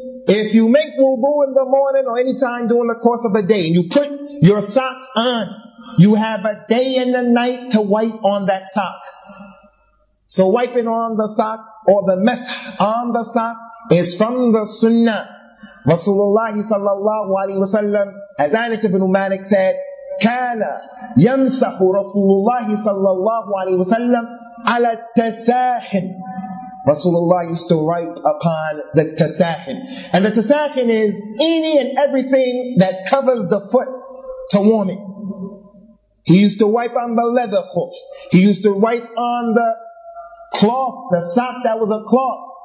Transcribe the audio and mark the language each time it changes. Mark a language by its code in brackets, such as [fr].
[en] If you make wudu in the morning or any time during the course of the day and you put your socks on, you have a day and a night to wipe on that sock. So wiping on the sock or the mess on the sock is from the sunnah. [ar] Rasulullah sallallahu alaihi wasallam, [en] as Anas ibn Malik said, [ar] كان يمسح رسول الله صلى الله عليه وسلم على التساحم. [en] Rasulullah used to wipe upon the tasahim. And the tasahim is any and everything that covers the foot to warm it. He used to wipe on the leather hoof. He used to wipe on the cloth, the sock that was a cloth.